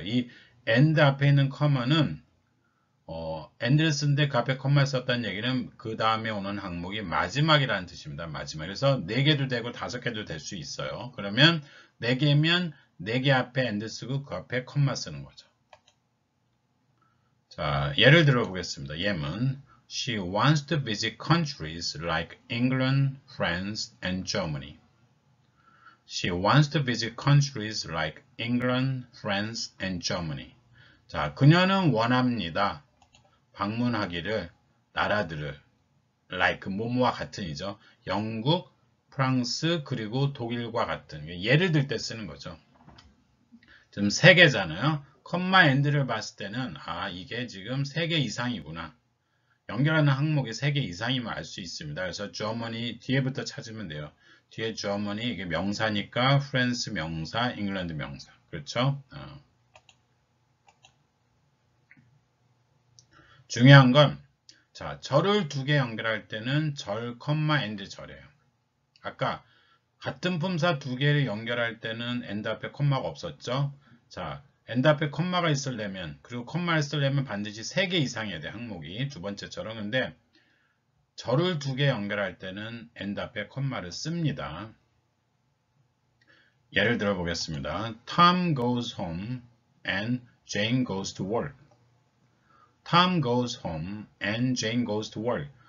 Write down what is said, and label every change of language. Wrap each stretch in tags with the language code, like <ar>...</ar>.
<ko>이 and 앞에 있는 comma는 and를 쓰는데 그 앞에 콤마 썼다는 얘기는 그 다음에 오는 항목이 마지막이라는 뜻입니다. 마지막. 그래서 4개도 되고 5개도 될수 있어요. 그러면 4개면 4개 앞에 and 쓰고 그 앞에 콤마 쓰는 거죠. 자, 예를 들어 보겠습니다. 예문.</ko> <en>She wants to visit countries like England, France, and Germany. She wants to visit countries like England, France, and Germany.</en> <ko>자, 그녀는 원합니다. 방문하기를 나라들을 like 뭐뭐와 같은이죠. 영국, 프랑스 그리고 독일과 같은. 예를 들때 쓰는 거죠. 지금 세 개잖아요. 콤마 엔드를 봤을 때는 아, 이게 지금 세개 이상이구나. 연결하는 항목이 세개 이상임을 알수 있습니다. 그래서 Germany 뒤에부터 찾으면 돼요. 뒤에 Germany 이게 명사니까 프랑스 명사, 잉글랜드 명사. 그렇죠? 중요한 건, 자, 절을 두개 연결할 때는 절, 콤마, 엔드 절이에요. 아까 같은 품사 두 개를 연결할 때는 엔드 앞에 콤마가 없었죠? 자, 엔드 앞에 콤마가 있으려면, 그리고 콤마를 쓰려면 반드시 세개 이상이어야 돼, 항목이. 두 번째처럼. 근데, 절을 두개 연결할 때는 엔드 앞에 콤마를 씁니다. 예를 들어 보겠습니다.</ko> <en>Tom goes home and Jane goes to work. Tom goes home and Jane goes to work.</en>